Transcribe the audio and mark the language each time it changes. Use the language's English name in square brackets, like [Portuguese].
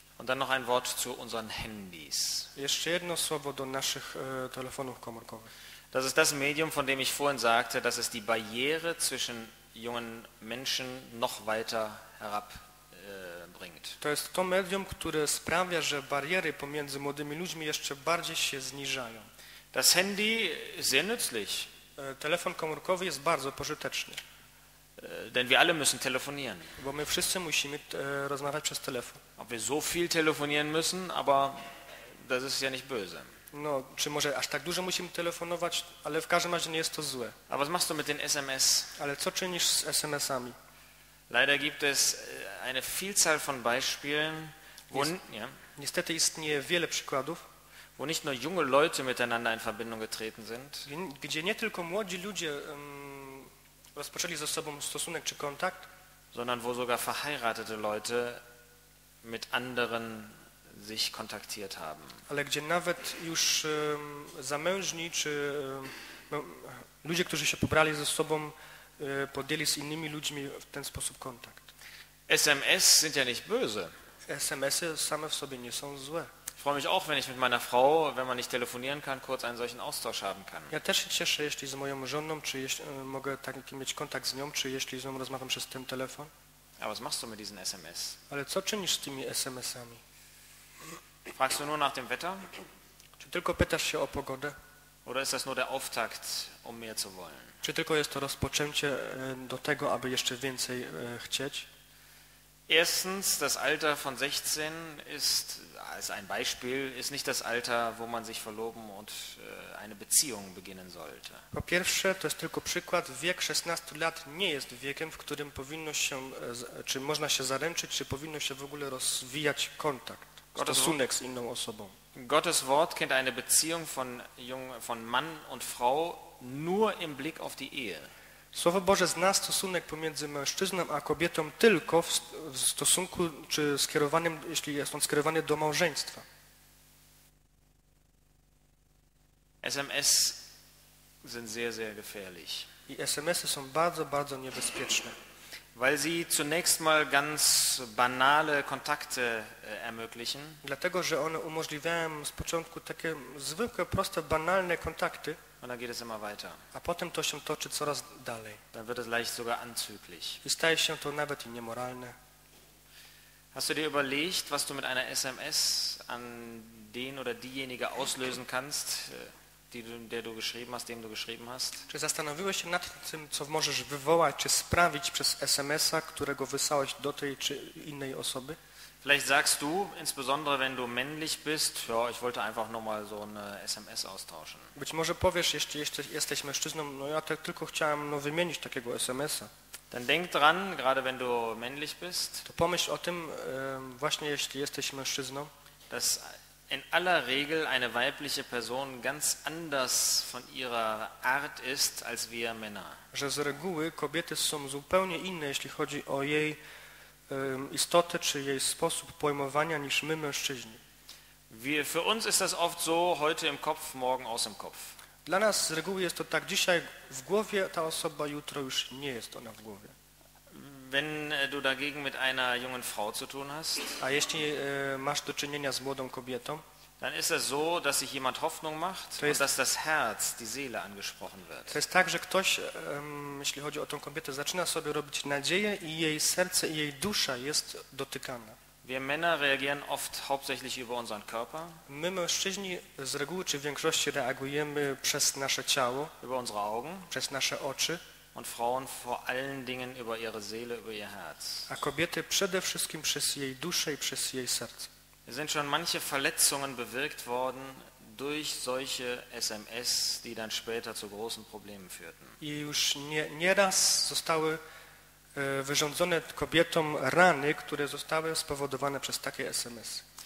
[German] Und dann noch ein Wort zu unseren Handys. [Polish] Jeszcze jedno słowo do naszych telefonów komórkowych. [German] Das ist das Medium, von dem ich vorhin sagte, dass es die Barriere zwischen jungen Menschen noch weiter herabbringt. [Polish] To jest to medium, które sprawia, że bariery pomiędzy młodymi ludźmi jeszcze bardziej się zniżają. [German] Das Handy ist sehr nützlich. [Polish] Telefon komórkowy jest bardzo pożyteczny. [German] Denn wir alle müssen telefonieren. [Polish] Bo my wszyscy musimy rozmawiać przez telefon. [German] Ob wir so viel telefonieren müssen, aber das ist ja nicht böse. [Polish] No, czy może aż tak dużo musimy telefonować, ale w każdym razie nie jest to złe. [German] A was machst du mit den SMS? [Polish] Ale co czynisz z SMS-ami? [German] Leider gibt es eine Vielzahl von Beispielen, wo [Polish] niestety istnieje wiele przykładów, [German] wo nicht nur junge Leute miteinander in Verbindung getreten sind. [Polish] Gdzie nie tylko młodzi ludzie rozpoczęli ze sobą stosunek czy kontakt, [German] sondern wo sogar verheiratete Leute mit anderen sich kontaktiert haben. [Polish] Ale gdzie nawet już zamężni czy ludzie, którzy się pobrali ze sobą, podjęli z innymi ludźmi w ten sposób kontakt. [German] SMS sind ja nicht böse. [Polish] SMS-y same w sobie nie są złe. [German] Ich freue mich auch, wenn ich mit meiner Frau, wenn man nicht telefonieren kann, kurz einen solchen Austausch haben kann. [Polish] Ja też się cieszę, jeśli z moją żoną, czy jeśli mogę taki mieć kontakt z nią, czy jeśli z nią rozmawiam przez ten telefon. [German] Aber was machst du mit diesen SMS? [Polish] Ale co czynisz z tymi SMS-ami? [German] Fragst du nur nach dem Wetter? [Polish] Czy tylko pytasz się o pogodę? [German] Oder ist das nur der Auftakt, um mehr zu wollen? [Polish] Czy tylko jest to rozpoczęcie do tego, aby jeszcze więcej chcieć? [German] Erstens, das Alter von 16 ist, als ein Beispiel, ist nicht das Alter, wo man sich verloben und eine Beziehung beginnen sollte. [Polish] Po pierwsze, to jest tylko przykład, wiek 16 lat nie jest wiekiem, w którym powinno się, czy można się zaręczyć, czy powinno się w ogóle rozwijać kontakt. Stosunek z inną osobą. [German] Gottes Wort kennt eine Beziehung von Mann und Frau nur im Blick auf die Ehe. [Polish] Słowo Boże zna stosunek pomiędzy mężczyzną a kobietą tylko w stosunku czy skierowanym, jeśli jest on skierowany do małżeństwa. [German] SMS sind sehr, sehr gefährlich. [Polish] I SMS-y są bardzo, bardzo niebezpieczne. [German] Weil sie zunächst mal ganz banale Kontakte ermöglichen. [Polish] Dlatego, że one umożliwiają z początku takie zwykłe, proste, banalne kontakty. [German] Und dann geht es immer weiter. [Polish] A potem to się toczy coraz dalej. [German] Dann wird es leicht sogar anzüglich. [Polish] I staje się to nawet i niemoralne. [German] Hast du dir überlegt, was du mit einer SMS an den oder diejenige auslösen kannst, dem du geschrieben hast? [Polish] Czy zastanowiłeś się nad tym, co możesz wywołać czy sprawić przez SMS-a, którego wysłałeś do tej czy innej osoby? [German] Vielleicht sagst du, insbesondere wenn du männlich bist, ja, ich wollte einfach nur mal so eine SMS austauschen. [Polish] Być może powiesz, jeśli jesteś mężczyzną, no ja tylko chciałem wymienić takiego SMS-a. [German] Dann denk dran, gerade wenn du männlich bist. [Polish] To pomyśl o tym, właśnie jeśli jesteś mężczyzną. [German] Dass in aller Regel eine weibliche Person ganz anders von ihrer Art ist als wir Männer. [Polish] Że z reguły kobiety są zupełnie inne, jeśli chodzi o jej istotę czy jej sposób pojmowania niż my mężczyźni. [German] Für uns ist das oft so, heute im Kopf, morgen aus dem Kopf. [Polish] Dla nas z reguły jest to tak, dzisiaj w głowie ta osoba, jutro już nie jest ona w głowie. [German] Wenn du dagegen mit einer jungen Frau zu tun hast, [Polish] a jeśli masz do czynienia z młodą kobietą, [German] dann ist es so, dass sich jemand Hoffnung macht [Polish] jest, [German] und dass das Herz, die Seele angesprochen wird. [Polish] To jest tak, że ktoś, jeśli chodzi o tą kobietę, zaczyna sobie robić nadzieję i jej serce i jej dusza jest dotykana. [German] Wir Männer reagieren oft hauptsächlich über unseren Körper. [Polish] My mężczyźni z reguły czy w większości reagujemy przez nasze ciało, [German] über unsere Augen, [Polish] przez nasze oczy, [German] Und Frauen vor allen Dingen über ihre Seele, über ihr Herz. [Polish] A kobiety przede wszystkim przez jej duszę i przez jej serce. [German] Es sind schon manche Verletzungen bewirkt worden durch solche SMS, die dann später zu großen Problemen führten. [Polish] I już nieraz zostały wyrządzone kobietom rany, które zostały spowodowane przez takie SMS.